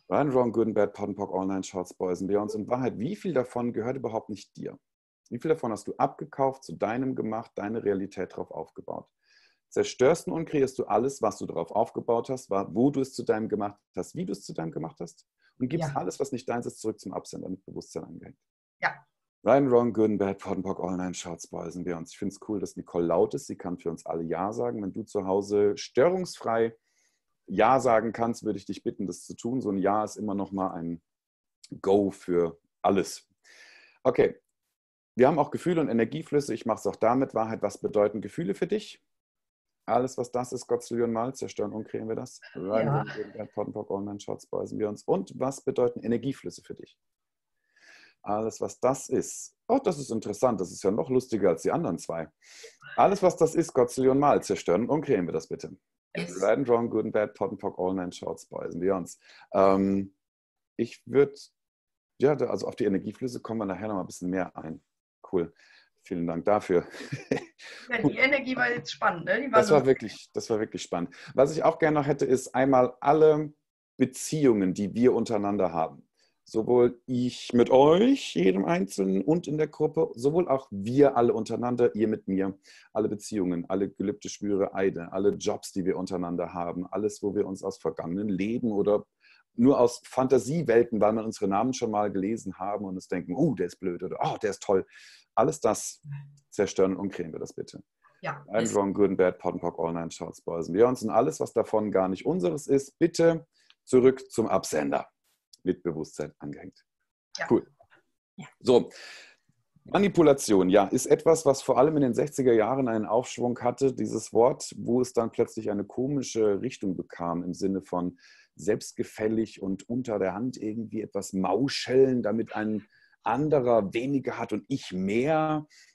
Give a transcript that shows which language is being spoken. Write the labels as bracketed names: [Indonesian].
[English] Right, wrong, good and bad, pot and pock, all nine shorts, boys and beyonds. [German] In Wahrheit, wie viel davon gehört überhaupt nicht dir? Wie viel davon hast du abgekauft, zu deinem gemacht, deine Realität drauf aufgebaut? Zerstörst du und kreierst du alles, was du darauf aufgebaut hast, wo du es zu deinem gemacht hast, wie du es zu deinem gemacht hast? Und gibst alles, was nicht deins ist, zurück zum Absender mit Bewusstsein angehängt? Ja. [English] Right, wrong, good and bad, pot and pock, all nine shorts, boys and beyonds. [German] Ich finde es cool, dass Nicole laut ist. Sie kann für uns alle Ja sagen. Wenn du zu Hause störungsfrei Ja sagen kannst, würde ich dich bitten, das zu tun. So ein Ja ist immer noch mal ein Go für alles. Okay, wir haben auch Gefühle und Energieflüsse. Ich mache es auch damit. Wahrheit, was bedeuten Gefühle für dich? Alles, was das ist, Gottzillion mal, zerstören und kreieren wir das. Ja. Und was bedeuten Energieflüsse für dich? Alles, was das ist. Oh, das ist interessant. Das ist ja noch lustiger als die anderen zwei. Alles, was das ist, Godzillion Mal, zerstören und kreieren wir das bitte. [English] Yes. Right and wrong, good and bad, pot and pock, all nine shorts, boys and beyonds. [German] Ich würde, ja, also auf die Energieflüsse kommen wir nachher noch mal ein bisschen mehr ein. Cool. Vielen Dank dafür. Ja, die Energie war jetzt spannend, ne? Die war das war wirklich spannend. Was ich auch gerne noch hätte, ist einmal alle Beziehungen, die wir untereinander haben. Sowohl ich mit euch, jedem Einzelnen und in der Gruppe, sowohl auch wir alle untereinander, ihr mit mir, alle Beziehungen, alle Gelübde, Schwüre, Eide, alle Jobs, die wir untereinander haben, alles, wo wir uns aus vergangenen Leben oder nur aus Fantasiewelten, weil wir unsere Namen schon mal gelesen haben und uns denken, oh, der ist blöd oder oh, der ist toll. Alles das zerstören und kreieren wir das bitte. Ja. [English] Right, wrong, good and bad, pot and pock, all nine shots, boys and beyonds. [German] Und alles, was davon gar nicht unseres ist, bitte zurück zum Absender. Mit Bewusstsein angehängt. Ja. Cool. So, Manipulation, ja, ist etwas, was vor allem in den 60er Jahren einen Aufschwung hatte, dieses Wort, wo es dann plötzlich eine komische Richtung bekam im Sinne von selbstgefällig und unter der Hand irgendwie etwas mauscheln, damit ein anderer weniger hat und ich mehr.